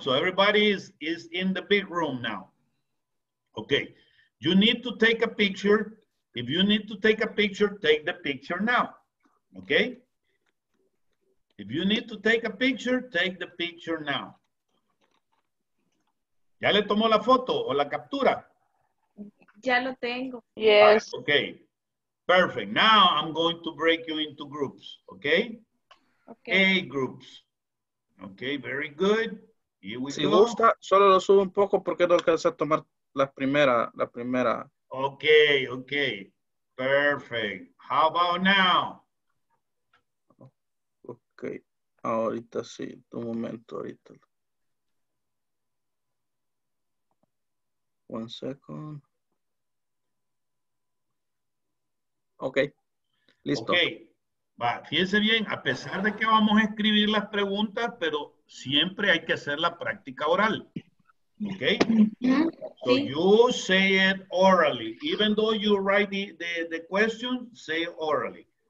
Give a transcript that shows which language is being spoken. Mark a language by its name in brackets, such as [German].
[English] So everybody is in the big room now. Ok, you need to take a picture. If you need to take a picture, take the picture now. Ok. If you need to take the picture now. [Spanish] ¿Ya le tomó la foto o la captura? Ya lo tengo. [English] Yes. Ok. Perfect. Now I'm going to break you into groups. Okay? Okay. A groups. Okay, very good. Here we [Spanish] si [English] go. [Spanish] Gusta, solo lo subo un poco porque no alcanza a tomar la primera. [English] Okay, okay. Perfect. How about now? [Spanish] Okay. Ahorita sí. Un momento ahorita. [English] One second. [Spanish] Ok, listo. Ok, va, fíjense bien, a pesar de que vamos a escribir las preguntas, pero siempre hay que hacer la práctica oral. [English] Ok, so you say it orally. Even though you write the question, say it orally.